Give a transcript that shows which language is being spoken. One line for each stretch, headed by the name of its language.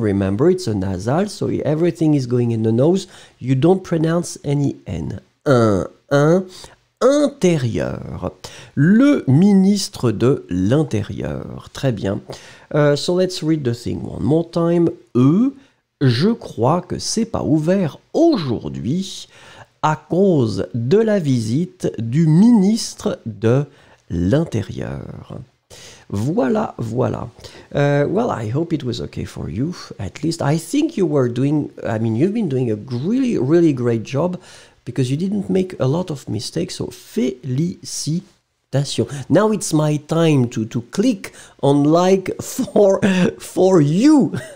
English: Remember, it's a nasal, so everything is going in the nose. You don't pronounce any N. Un.
French: Intérieur. Le ministre de l'intérieur. Très bien.
English: So let's read the thing one more time.
French: Je crois que c'est pas ouvert aujourd'hui à cause de la visite du ministre de l'intérieur. Voilà, voilà.
English: Well, I hope it was okay for you, at least. I think you were doing, I mean, you've been doing a really, really great job because you didn't make a lot of mistakes, so félicitations. Now it's my time to click on like for you.